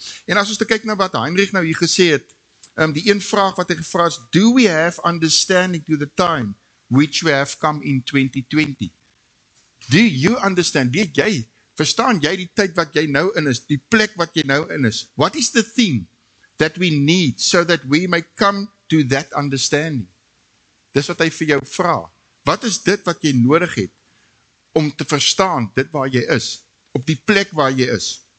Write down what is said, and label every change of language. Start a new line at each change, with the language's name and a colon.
Afrikaans: En as ons te kyk na wat Heinrich nou hier gesê het, die een vraag wat hy gevra is,
English: do we have understanding to the time which we have come in 2020? Do you understand?
Afrikaans: Weet jy, verstaan jy die tyd wat jy nou in is, die plek wat jy nou in is?
English: What is the thing that we need so that we may come to that understanding?
Afrikaans: Dis wat hy vir jou vra. Wat is dit wat jy nodig het om te verstaan dit waar jy is, op die plek waar jy is?